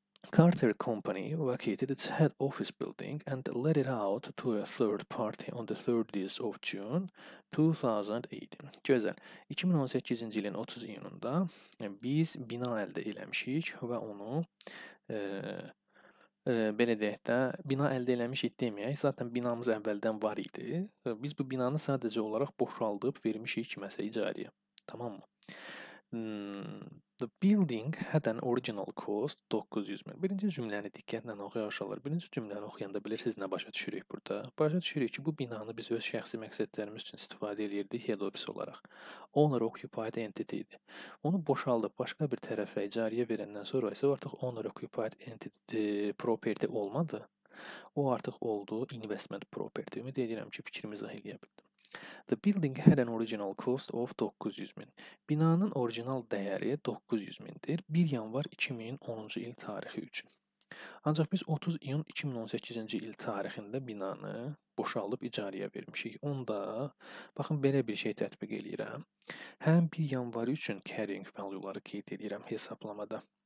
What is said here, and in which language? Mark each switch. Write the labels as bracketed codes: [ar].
[en] Carter Company vacated its head office building and let it out to a third party on the 30th of June 2018. [az] Gözəl. 2018-ci ilin 30 iyununda biz bina əldə eləmişik və onu belə deyək də, bina əldə eləmişik deməyək. Zaten binamız əvvəldən var idi. Biz bu binanı sadəcə olaraq boşaldıb vermişik ki, məsələ icarəyə. [tr] Tamam mı? [en] The building had an original cost 900 min. [az] Birinci cümləni diqqətlə oxuyarsalar, birinci cümləni oxuyanda bilirsiniz nə başa düşürük burada. Başa düşürük ki, bu binanı biz öz şəxsi məqsədlərimiz üçün istifadə edirdik, head office olaraq. Owner occupied entity idi. Onu boşaldıb başqa bir tərəfə icarəyə verəndən sonra isə artıq owner occupied entity property olmadı. O artıq oldu investment property. Ümid edirəm ki, fikrimi izah eləyə bildim. [en] The building had an original cost of 900 min. [az] Binanın orijinal dəyəri 900 mindir. 1 yanvar 2010-cu il tarixi üçün. Ancaq biz 30 iyun 2018-ci il tarixində binanı boşaldıb icarəyə vermişik. Onda, baxın, belə bir şey tətbiq edirəm. Həm 1 yanvar üçün carrying value-ları qeyd edirəm hesablamada.